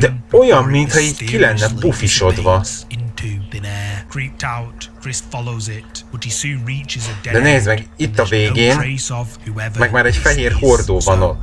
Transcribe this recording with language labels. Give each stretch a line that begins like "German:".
Hungarian: olyan, mintha így ki lenne pufisodva.
English: into thin air. Creeped out, Chris follows it, but he soon reaches a dead end.
Hungarian: De nézd meg, itt a végén, meg már egy fehér hordó van ott.